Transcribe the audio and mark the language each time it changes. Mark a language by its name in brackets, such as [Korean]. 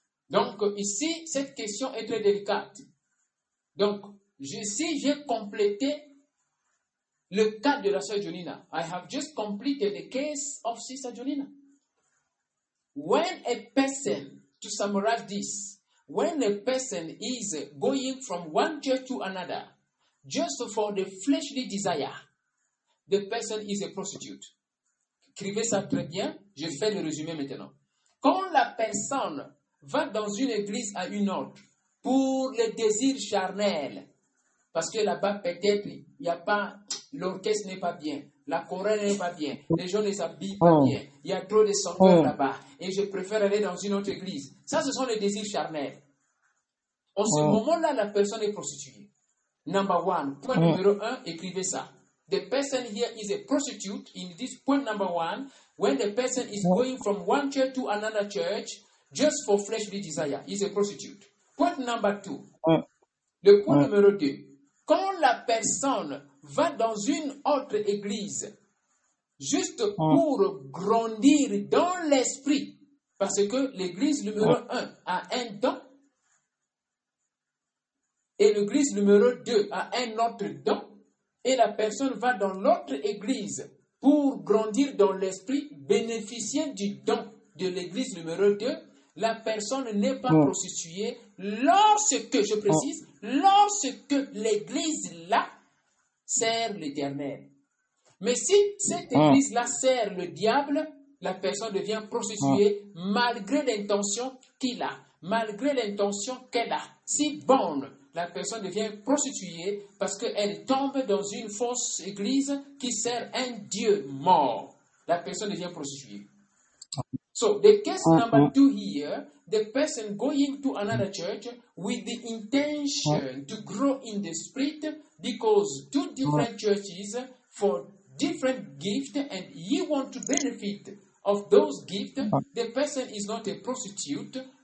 [French] Donc, ici, cette question est très délicate. Donc, si j'ai complété le cas de la sœur Jonina, [English] I have just completed the case of Sister Jonina. When a person, to summarize this, when a person is going from one church to another just for the fleshly desire, the person is a prostitute. [French] Écrivez ça très bien, je fais le résumé maintenant. Quand la personne va dans une église à une autre pour le désir charnel, parce que là-bas peut-être il y a pas, l'orchestre n'est pas bien. La chorale n'est pas bien. Les gens ne s'habillent pas bien. Il y a trop de sangleurs là-bas. Et je préfère aller dans une autre église. Ça, ce sont les désirs charnels. En ce moment-là, la personne est prostituée. [English] Number one. [French] Point numéro un, écrivez ça. [English] The person here is a prostitute in this point number one. When the person is going from one church to another church just for fleshly desire, he's a prostitute. Point number two. [French] Le point numéro deux. Quand la personne va dans une autre église juste pour grandir dans l'esprit, parce que l'église numéro 1 a un don et l'église numéro 2 a un autre don, et la personne va dans l'autre église pour grandir dans l'esprit, bénéficier du don de l'église numéro 2, la personne n'est pas prostituée lorsque, je précise, lorsque l'église là sert l'Éternel. Mais si cette église-là sert le diable, la personne devient prostituée malgré l'intention qu'il a, malgré l'intention qu'elle a. Si bonne, la personne devient prostituée parce qu'elle tombe dans une fausse église qui sert un dieu mort. La personne devient prostituée. [English] So, the case number two here, the person going to another church with the intention to grow in the spirit, because two different churches for different gifts and he want to benefit of those gifts, the person is not a prostitute.